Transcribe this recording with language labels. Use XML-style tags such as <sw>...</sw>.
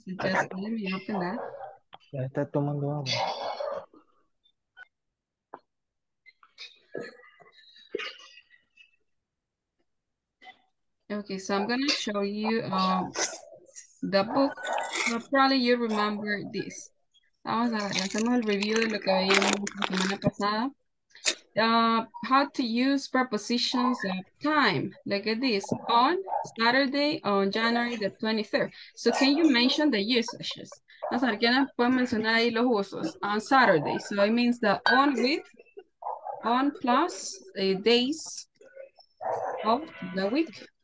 <en>So just let me open that.</en> <es>Ya está tomando agua.</es> <en>Okay, so I'm going to show you the book. Well, probably you remember this.</en> <es>Vamos a ver, hacemos el review de lo que veíamos la semana pasada.</es> <en>How to use prepositions of time. Look at this. On Saturday, on January the 23rd. So can you mention the usages?</en> <es>Vamos a ver, ¿quiénes pueden mencionar ahí los usos?</es> <en>On Saturday. So it means the on with, on plus days of the week.</en>